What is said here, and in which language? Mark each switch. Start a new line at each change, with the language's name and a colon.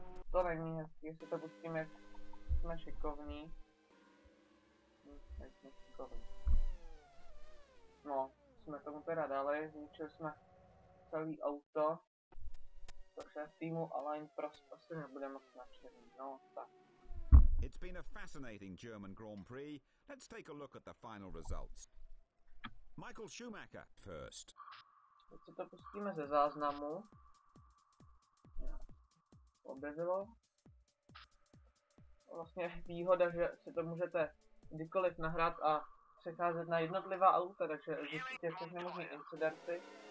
Czech: To není hezký, jestli to pustíme, jak jsme šikovní. Nejsme šikovní. No, jsme tomu teda dali, zničili jsme celý auto. To šéf týmu Align prostě asi nebude moc nadšený, no tak.
English: It's been a fascinating German Grand Prix. Let's take a look at the final results. Michael Schumacher first.
Czech: Teď si to pustíme ze záznamu. Objevilo. Vlastně výhoda, že si to můžete kdykoliv nahrát a přecházet na jednotlivá auta, takže zjistíte všechny možné incidenty.